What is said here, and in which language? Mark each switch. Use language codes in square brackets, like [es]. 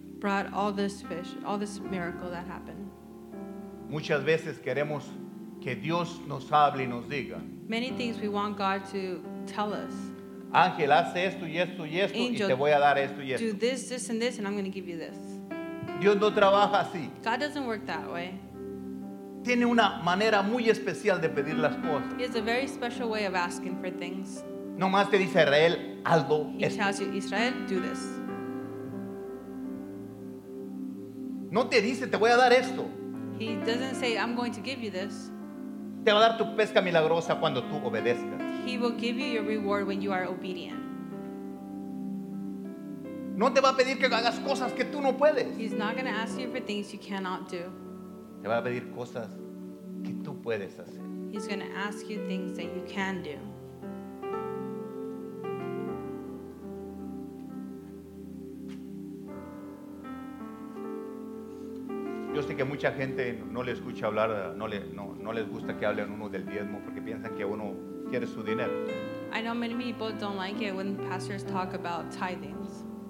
[en] Brought all this fish, all this miracle that happened. [es] Muchas veces queremos que Dios nos hable y nos diga. [en] Many things we want God to tell us. [es] Ángel, haz esto y esto y esto, [en] Angel, [es] y te voy a dar esto y esto. [en] Do this, this, and this, and I'm going to give you this. [es] Dios no trabaja así. [en] God doesn't work that way. [es] Tiene una manera muy especial de pedir las cosas. [en] He has a very special way of asking for things. [es] No más te dice Israel, hazlo. [en] He tells you, Israel, do this. [es] No te dice, te voy a dar esto. [en] He doesn't say, I'm going to give you this. [es] Te va a dar tu pesca milagrosa cuando tú obedezcas. [en] He will give you your reward when you are obedient. [es] No te va a pedir que hagas cosas que tú no puedes. [en] He's not going to ask you for things you cannot do. [es] Te va a pedir cosas que tú puedes hacer. [en] He's going to ask you things that you can do. [es] Yo sé que mucha gente no le escucha hablar, no les gusta que hablen uno del diezmo porque piensan que uno quiere su dinero. [en] I know many people don't like it when pastors talk about tithings.